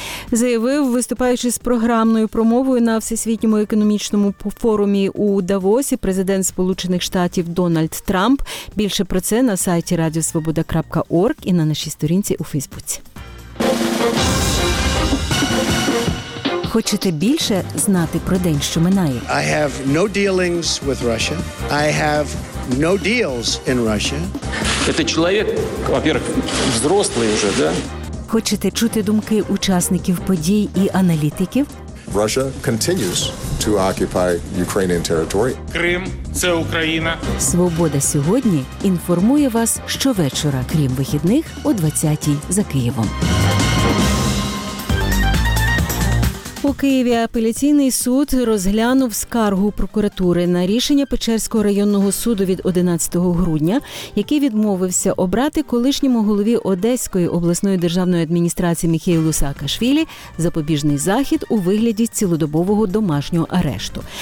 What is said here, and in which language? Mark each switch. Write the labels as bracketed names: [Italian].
[Ukrainian] Заявив, виступаючи з програмною промовою на Всесвітньому економічному форумі у Давосі, президент Сполучених Штатів Дональд Трамп. Більше про це на сайті radiosvoboda.org і на нашій сторінці у Фейсбуці. Хочете більше знати про день, що минає? [English] I have no dealings with Russia. I have no deals in Russia. [Ukrainian] Це чоловік, по-перше, взрослий вже, да? Хочете чути думки учасників подій і аналітиків? [English] Russia continues to occupy Ukrainian territory. [Ukrainian] Крим – це Україна. Свобода сьогодні інформує вас щовечора, крім вихідних, о 20-й за Києвом. У Києві апеляційний суд розглянув скаргу прокуратури на рішення Печерського районного суду від 11 грудня, який відмовився обрати колишньому голові Одеської обласної державної адміністрації Михайлу Саакашвілі запобіжний захід у вигляді цілодобового домашнього арешту.